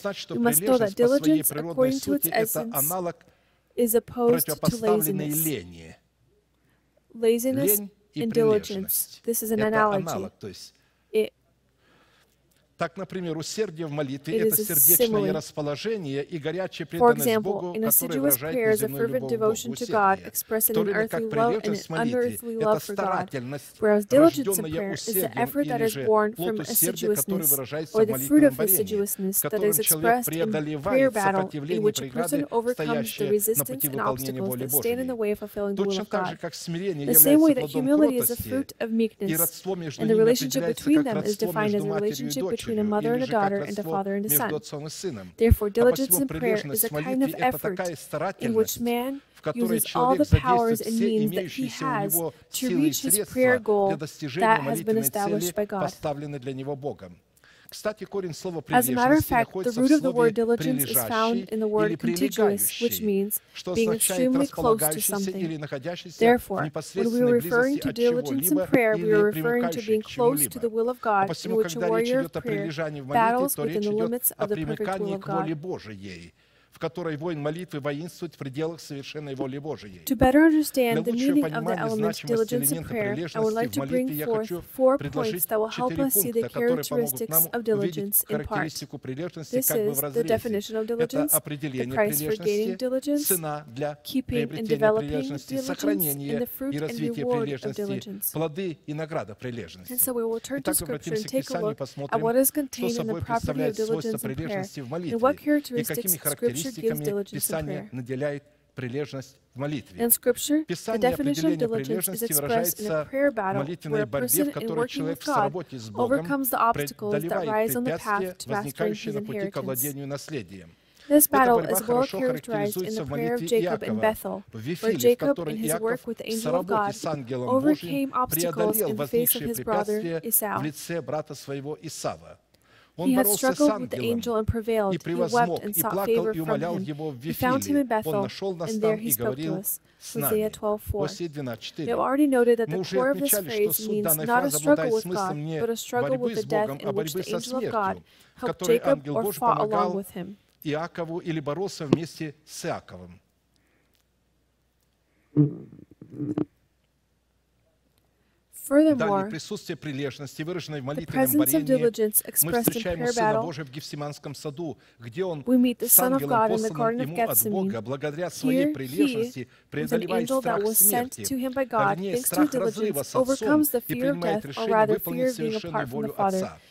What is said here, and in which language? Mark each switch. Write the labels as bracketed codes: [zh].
[en] We must know that diligence, according to its essence, is opposed to laziness and diligence. This is an analogy. [ru] Так, например, усердие в молитве – это сердечное расположение и горячая преданность Богу, которое выражает неземную любовь к Богу, усердие. В то время как прилежность в молитве – это старательность, рожденная усердием или же плод усердия, который выражается в молитвенном варении, которым человек преодолевает препятствия, стоящие на пути выполнения воли Божьей. Точно так же, как смирение является плодом кротости, и родство между ними определяется как родство между матерью и дочерью, [en] between a mother and a daughter and a father and a son. Therefore, diligence in prayer is a kind of effort in which man uses all the powers and means that he has to reach his prayer goal that has been established by God. [ru] Кстати, корень слова «прилежность» находится в слове «прилежащий» что означает «располагающийся» или «находящийся» [en] Therefore, [ru] в непосредственной близости от чего-либо или «примыкающий» к чему-либо. А посему, когда речь идет о прилежании в молитве, то речь идет о примыкании к воле Божией, в которой воин молитвы воинствует в пределах совершенной воли Божией. [en] To better understand the meaning of the element diligence in prayer, I would like to bring forth four points that will help us see the characteristics of diligence in part. This is the definition of diligence, the price for gaining diligence, keeping and developing diligence, and the fruit and reward of diligence. [ru] Плоды и награда прилежности. [en] And so we will turn to Scripture and take a look at what is contained in the property of diligence in prayer, and what characteristics Scripture [ru] Писание наделяет прилежность в молитве. Писание определение прилежности выражается в молитвенной борьбе, в которой человек в работе с Богом преодолевает препятствия, возникающие на пути к овладению наследием. [en] This battle is well characterized in the prayer of Jacob in Bethel, where Jacob, in his work with the angel of God, overcame obstacles in the face of his brother Esau. He had struggled with the angel and prevailed. He wept and sought favor from him. He found him in Bethel, and there he spoke to us. Hosea 12:4. We have already noted that the core of this phrase means not a struggle with God, but a struggle with the death in which the angel of God helped Jacob or fought along with him. [ru] Иакову или боролся вместе с Иаковым. [en] Furthermore, [ru] присутствие прилежности, выраженной в молитвенном борении, мы встречаемся с Сыном Божиим в Гефсиманском саду, где Он с ангелом, посланным Ему от Бога, благодаря Своей прилежности, преодолевает страх смерти, вернее, страх разрыва с Отцом, и принимает решение выполнить совершенную волю Отца.